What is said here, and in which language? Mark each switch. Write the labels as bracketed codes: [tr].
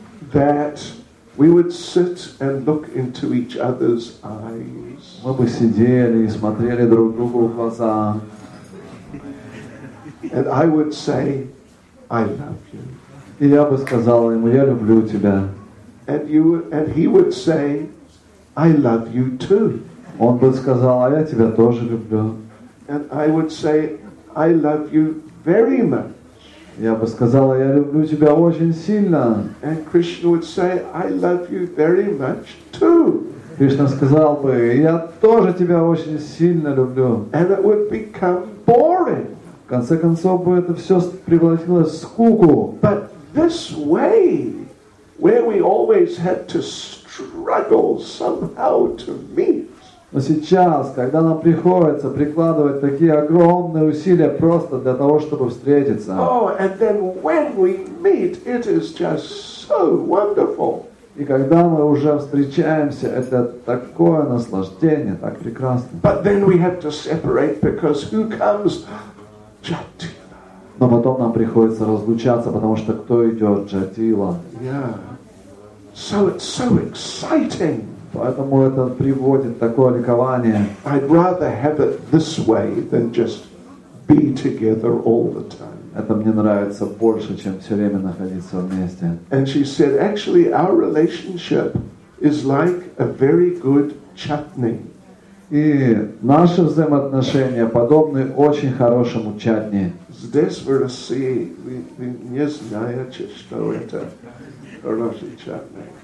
[en] That we would sit and look into each other's eyes. [ru] Мы бы сидели и смотрели друг другу в глаза. [en] And I would say, I love you. [ru] И я бы сказал ему, я люблю тебя. [en] And he would say, I love you too. [ru] Он бы сказал, а я тебя тоже люблю. [en] And I would say, I love you very much. [ru] Я бы сказала, я люблю тебя очень сильно. [en] And Krishna would say, I love you very much too. [ru] Кришна сказал бы, я тоже тебя очень сильно люблю. [en] And it would become boring. [ru] В конце концов бы это все превратилось в скуку. [en] But this way, where we always had to struggle somehow to meet. [ru] Но сейчас, когда нам приходится прикладывать такие огромные усилия просто для того, чтобы встретиться. [en] Oh, and then when we meet, it is just so wonderful. [ru] И когда мы уже встречаемся, это такое наслаждение, так прекрасно. [en] But then we have to separate because who comes? Jatila. [ru] Но потом нам приходится разлучаться, потому что кто идет? Jatila. [en] Yeah. So it's so exciting. [ru] Поэтому это приводит такое ликование. [en] I'd rather have it this way than just be together all the time. [ru] Это мне нравится больше, чем все время находиться вместе. [en] And she said, actually, our relationship is like a very good chutney. [ru] И наши взаимоотношения подобны очень хорошему чатни. Здесь в России вы не знаете, что это хороший чатни.